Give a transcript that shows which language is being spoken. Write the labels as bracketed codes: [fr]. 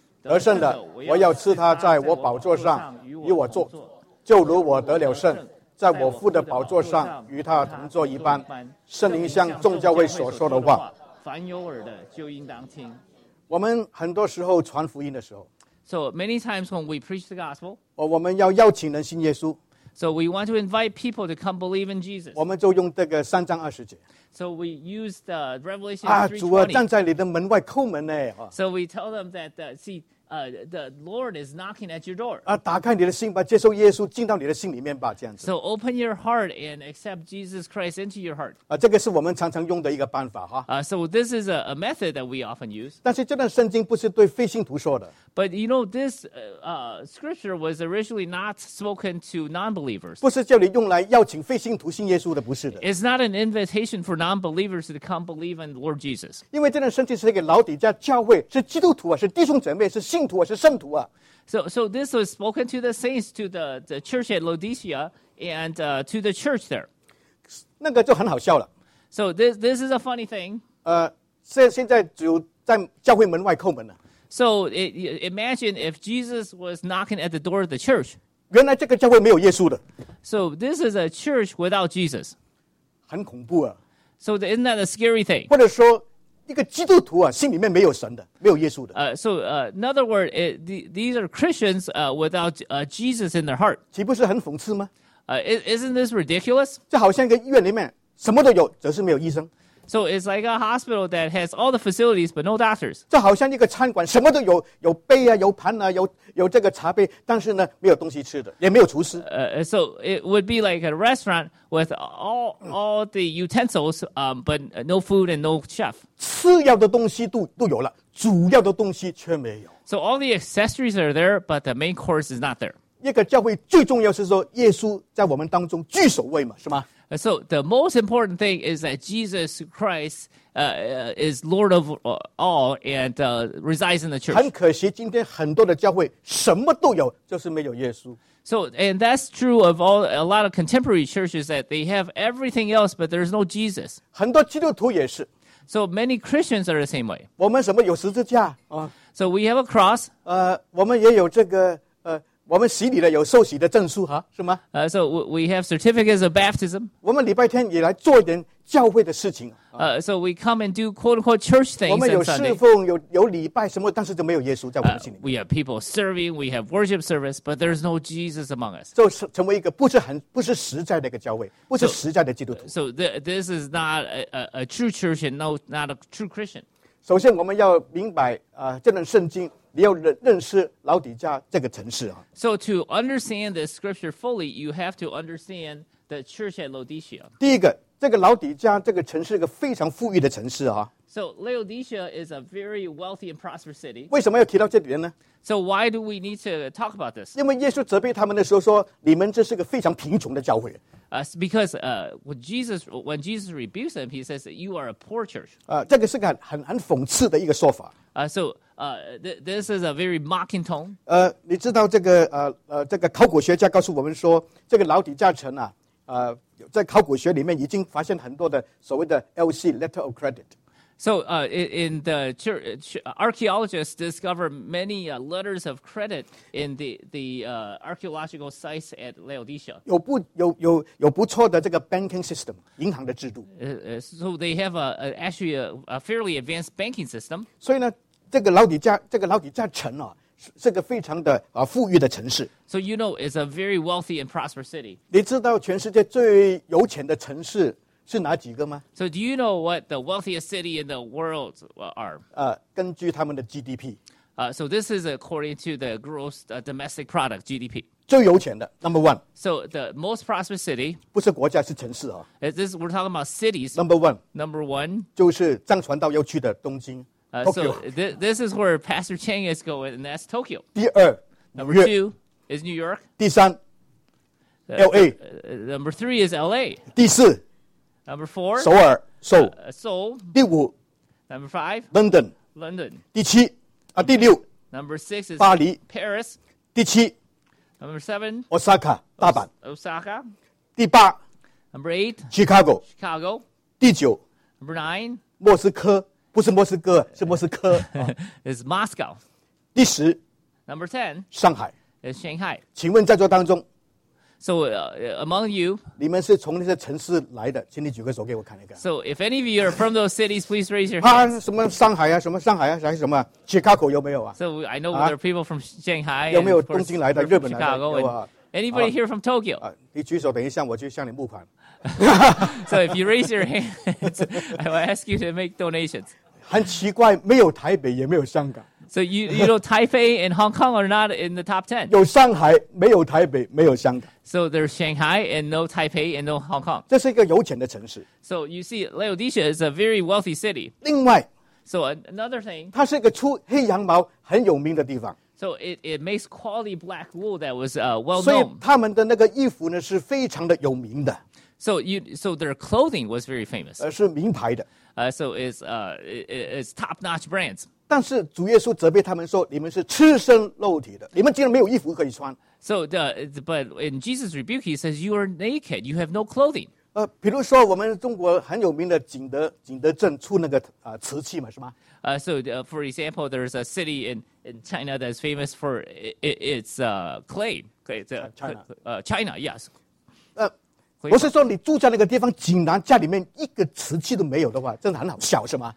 [zh] 得胜的，我要吃他在我宝座上与我坐，就如我得了胜，在我父的宝座上与他同坐一般。圣灵像众教会所说的话。凡有耳的就应当听。我们很多时候传福音的时候， [en] So many times when we preach the gospel， [zh] 我们要邀请人信耶稣， [en] So we want to invite people to come believe in Jesus， [zh] 我们就用这个三章二十节， [en] So we use the Revelation 3:20。 [zh] 主啊，站在你的门外叩门呢。 [en] So we tell them that the Lord is knocking at your door。 [zh] 打开你的心吧，接受耶稣进到你的心里面吧，这样子。 [en] So open your heart and accept Jesus Christ into your heart。 [zh] 这个是我们常常用的一个办法哈。 [en] So this is a method that we often use。 [zh] 但是这段圣经不是对非信徒说的。 [en] But you know, this scripture was originally not spoken to non-believers。 [zh] 不是叫你用来邀请非信徒信耶稣的，不是的。 [en] It's not an invitation for non-believers to come believe in the Lord Jesus。 [zh] 因为这段圣经是给老底家教会，是基督徒啊，是弟兄姐妹，是信徒啊，是圣徒啊。 [en] So this was spoken to the saints, to the church at Laodicea, and to the church there. [zh] 那个就很好笑了。 [en] So this is a funny thing. [zh] 现在只有在教会门外叩门了。 [en] So imagine if Jesus was knocking at the door of the church. [zh] 原来这个教会没有耶稣的。 [en] So this is a church without Jesus. [zh] 很恐怖啊。 [en] So isn't that a scary thing? [zh] 或者说一个基督徒啊，心里面没有神的，没有耶稣的。 [en] In other words, these are Christians without Jesus in their heart. [zh] 岂不是很讽刺吗？ [en] Isn't this ridiculous? [zh] 就好像一个医院里面什么都有，只是没有医生。 [en] So it's like a hospital that has all the facilities but no doctors. [zh] 就好像一个餐馆，什么都有，有杯啊，有盘啊，有这个茶杯，但是呢，没有东西吃的，也没有厨师。 [en] So it would be like a restaurant with all the utensils, but no food and no chef. [zh] 次要的东西都有了，主要的东西却没有。 [en] So all the accessories are there, but the main course is not there. [zh] 一个教会最重要是说，耶稣在我们当中居首位嘛，是吗？ [en] So the most important thing is that Jesus Christ is Lord of all and resides in the church. [zh] 很可惜今天很多的教会什么都有，就是没有耶稣。 [en] So, and that's true of a lot of contemporary churches, that they have everything else, but there's no Jesus. [zh] 很多基督徒也是。 [en] So many Christians are the same way. [zh] 我们什么有十字架、 [en] So we have a cross. [zh] 我们也有这个我们洗礼了，有受洗的证书哈，是吗？ [en] So we have certificates of baptism. [zh] 我们礼拜天也来做一点教会的事情。 [en] So we come and do quote unquote church things. [zh] 我们有侍奉，有礼拜什么，但是就没有耶稣在我们心里。 [en] We have people serving, we have worship service, but there's no Jesus among us. [zh] 就成为一个不是实在的一个教会，不是实在的基督徒。 [en] So this is not a true church and not a true Christian. [zh] 首先我们要明白这段圣经。你要认识老底家这个城市、 [en] So to understand this scripture fully, you have to understand the church at Laodicea. [zh] 第一个，这个老底家这个城市是个非常富裕的城市、 [en] So Laodicea is a very wealthy and prosperous city. [zh] 为什么要提到这里呢？ [en] So why do we need to talk about this? [zh] 因为耶稣责备他们的时候说，你们这是个非常贫穷的教会。 [en] Because when Jesus rebukes them, he says that you are a poor church. [zh] 这个是个很讽刺的一个说法。 [en] This is a very mocking tone. [zh] 你知道这个这个考古学家告诉我们说，这个老底嘉城啊，在考古学里面已经发现很多的所谓的 [en] LC letter of credit. So in the archaeologists discover many letters of credit in the archaeological sites at Laodicea. [zh] 有不错的这个 [en] banking system, [zh] 银行的制度。 [en] So they have a fairly advanced banking system. [zh] 所以呢。这个老底嘉城啊，是个非常的富裕的城市。 [en] So you know, it's a very wealthy and prosperous city. [zh] 你知道全世界最有钱的城市是哪几个吗 [en] ？So do you know what the wealthiest city in the world are? [zh] 根据他们的 GDP. [en] So this is according to the gross domestic product GDP. [zh] 最有钱的 [en] number one. So the most prosperous city. [zh] 不是国家，是城市啊。 [en] This we're talking about cities. Number one. Number one. [zh] 就是藏传道要去的东京。 [en] So this is where Pastor Chang is going, and that's Tokyo. [zh] 第二 [en] Number two is New York. [zh] 第三 LA. [en] Number three is LA. [zh] 第四 [en] Number four. [zh] 首尔 [en] Seoul. [zh] 第五 [en] Number five. London. London. [zh] 第七第六 [en] Number six is [zh] 巴黎 [en] Paris. [zh] 第七 [en] Number seven. Osaka. 大阪 Osaka. [zh] 第八 [en] Number eight. Chicago. Chicago. [zh] 第九 [en] Number nine. [zh] 莫斯科不是莫斯科，是莫斯科。 [en] Is Moscow. [zh] 第十 [en] Number ten. [zh] 上海 [en] Is Shanghai. [zh] 请问在座当中， [en] So among you, [zh] 你们是从那些城市来的，请你举个手给我看一看。 [en] So if any of you are from those cities, please raise your hand. [zh] 什么上海啊，什么上海啊，还是什么 Chicago 有没有啊 [en] ？So I know there are people from Shanghai. [zh] 有没有东京来的，日本来的？ Chicago, 有啊。 [en] Anybody here from Tokyo? [zh] 你举手，等一下我去向你募款。 [en] So if you raise your hands, I will ask you to make donations. [zh] 很奇怪，没有台北，也没有香港。 [en] So you know, Taipei and Hong Kong are not in the top 10. [zh] 有上海，没有台北，没有香港。 [en] So there's Shanghai and no Taipei and no Hong Kong. [zh] 这是一个有钱的城市。 [en] So you see, Laodicea is a very wealthy city. [zh] 另外 [en] ，So another thing, [zh] 它是一个出黑羊毛很有名的地方。 [en] So it makes quality black wool that was well known. [zh] 所以他们的那个衣服呢是非常的有名的。 [en] So their clothing was very famous. [zh] 是名牌的。 [en] So it's top-notch brands. [zh] 但是主耶稣责备他们说：“你们是赤身露体的，你们竟然没有衣服可以穿。” [en] So but in Jesus' rebuke, he says, "You are naked. You have no clothing." [zh] 比如说我们中国很有名的景德镇出那个瓷器嘛，是吗？ [en] For example, there's a city in China that's famous for its clay. Okay, China, yes. [zh] 我是说你住在那个地方竟然家里面一个瓷器都没有的话真的很好笑是吗